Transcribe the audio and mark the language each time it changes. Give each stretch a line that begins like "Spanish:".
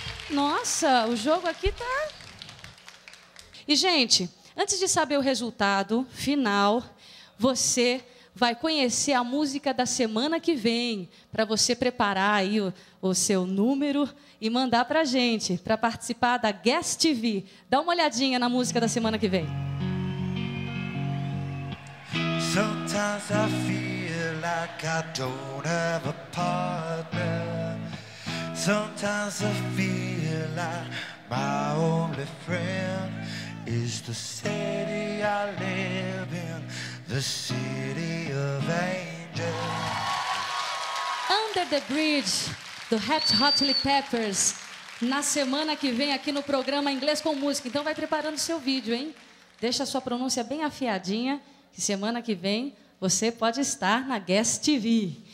Portuguese: Nossa, o jogo aqui tá. E, gente, antes de saber o resultado final, você vai conhecer a música da semana que vem, para você preparar aí o seu número e mandar para a gente, para participar da Guest TV. Dá uma olhadinha na música da semana que vem.
English: Sometimes I feel like I don't have a partner. Sometimes I feel like my only friend is the city I live in, the city of angels.
Portuguese: Under the Bridge, do Red Hot Chili Peppers, na semana que vem aqui no programa Inglês com Música. Então vai preparando seu vídeo, hein? Deixa a sua pronúncia bem afiadinha, que semana que vem você pode estar na Guest TV.